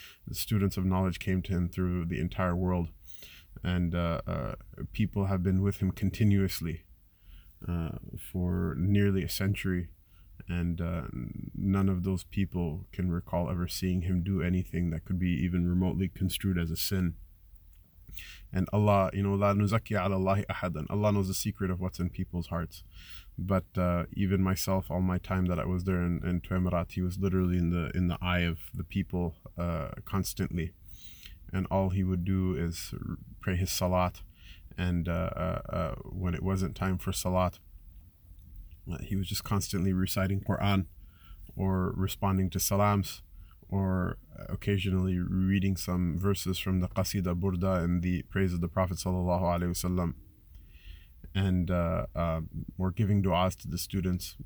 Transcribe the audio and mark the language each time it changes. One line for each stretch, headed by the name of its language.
English: The students of knowledge came to him through the entire world, and people have been with him continuously for nearly a century, and none of those people can recall ever seeing him do anything that could be even remotely construed as a sin. And Allah, you know,
Arabic: لا نزكي على الله أحدا.
English: Allah knows the secret of what's in people's hearts. But even myself, all my time that I was there in Tuamirat, he was literally in the eye of the people constantly. And all he would do is pray his salat. And when it wasn't time for salat, he was just constantly reciting Quran or responding to salams, or occasionally reading some verses from the Qasida Burda in the praise of the Prophet sallallahu alaihi wasallam, and were giving du'as to the students.